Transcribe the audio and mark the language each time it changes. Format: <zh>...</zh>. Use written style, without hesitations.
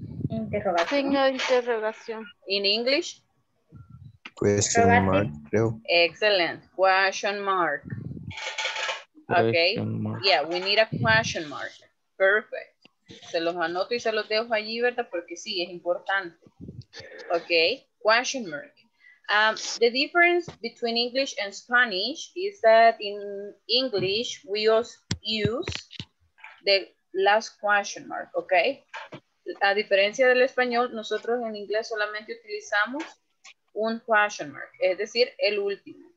<es>Interrogación. Signo de interrogación.</es> <en>In English? Question mark, creo. Excellent. Question mark. Okay. Yeah, we need a question mark. Perfect.</en> <es>Se los anoto y se los dejo allí, ¿verdad? Porque sí, es importante. Okay. Question mark.</es> <en>The difference between English and Spanish is that in English, we use the last question mark. Okay.</en> <es>A diferencia del español, nosotros en inglés solamente utilizamos un question mark, es decir, el último.</es>